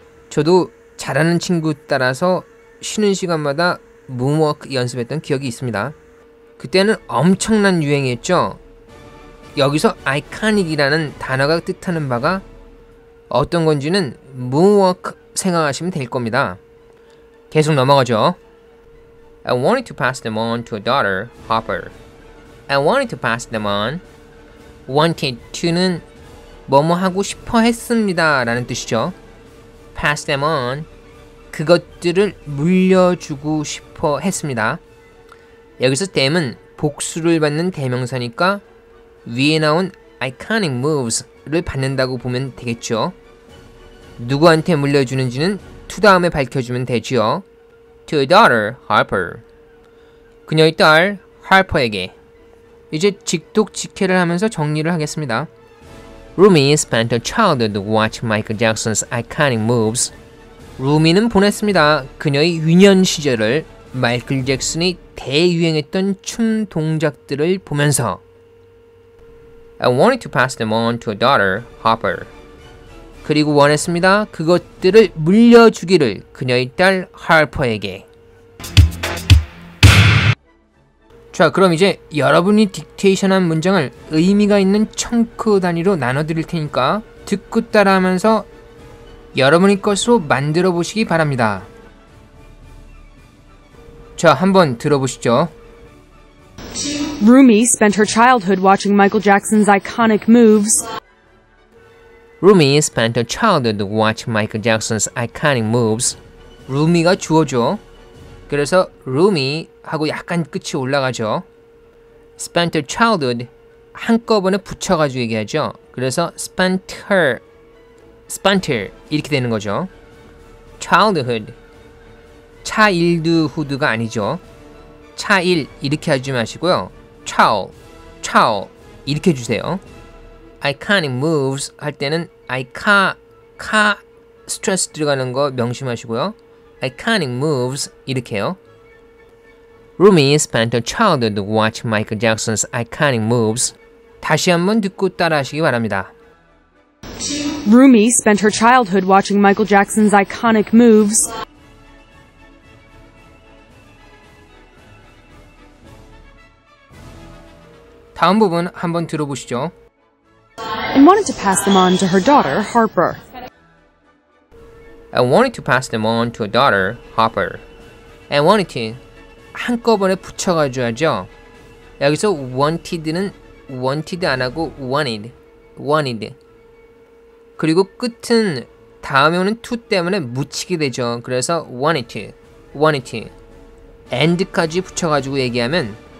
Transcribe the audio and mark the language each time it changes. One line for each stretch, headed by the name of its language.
Korean: 저도 잘하는 친구 따라서 쉬는 시간마다 Moonwalk 연습했던 기억이 있습니다. 그때는 엄청난 유행이었죠. 여기서 아이코닉이라는 단어가 뜻하는 바가 어떤 건지는 문워크 생각하시면 될 겁니다. 계속 넘어가죠.
English: I wanted to pass them on to a daughter, Hopper. I wanted to pass them on.
Korean: Wanted to는 뭐뭐 하고 싶어 했습니다 라는 뜻이죠.
English: Pass them on.
Korean: 그것들을 물려주고 싶어 했습니다. 여기서 them은 복수를 받는 대명사니까 위에 나온
English: iconic moves
Korean: 를 받는다고 보면 되겠죠. 누구한테 물려주는지는 to 다음에 밝혀주면 되지요.
English: To a daughter, Harper.
Korean: 그녀의 딸, Harper에게. 이제 직독직해를 하면서 정리를 하겠습니다.
English: Rumi spent a childhood watching Michael Jackson's iconic moves.
Korean: Rumi는 보냈습니다. 그녀의 유년 시절을 마이클 잭슨이 대유행했던 춤 동작들을 보면서
English: I wanted to pass them on to a daughter, Hopper.
Korean: 그리고 원했습니다. 그것들을 물려주기를 그녀의 딸 Harper에게. 자, 그럼 이제 여러분이 딕테이션한 문장을 의미가 있는 청크 단위로 나눠드릴 테니까 듣고 따라하면서 여러분의 것으로 만들어 보시기 바랍니다. 자, 한번 들어보시죠.
English: Rumi spent her childhood watching Michael Jackson's iconic moves. Rumi spent her childhood watching Michael Jackson's iconic moves.
Korean: Rumi가 주어죠. 그래서 Rumi 하고 약간 끝이 올라가죠.
English: Spent her childhood
Korean: 한꺼번에 붙여가지고 얘기하죠. 그래서
English: spent her
Korean: 이렇게 되는 거죠.
English: Childhood
Korean: childhood가 아니죠. 차일 이렇게 하지 마시고요. child 이렇게 해주세요.
English: Iconic moves
Korean: 할 때는
English: ica
Korean: 스트레스 들어가는 거 명심하시고요.
English: Iconic moves
Korean: 이렇게요.
English: Rumi spent her childhood watching Michael Jackson's iconic moves.
Korean: 다시 한번 듣고 따라하시기 바랍니다.
English: Rumi spent her childhood watching Michael Jackson's iconic moves.
Korean: 다음 부분 한번 들어보시죠.
English: And wanted to pass them on to her daughter, Harper. I wanted to pass them on to a daughter, Harper. I wanted to
Korean: 한꺼번에 붙여가줘야죠. 여기서 wanted는 wanted 안 하고 wanted. 그리고 끝은 다음에 오는 to 때문에 묻히게 되죠. 그래서
English: wanted to.
Korean: And까지 붙여가지고 얘기하면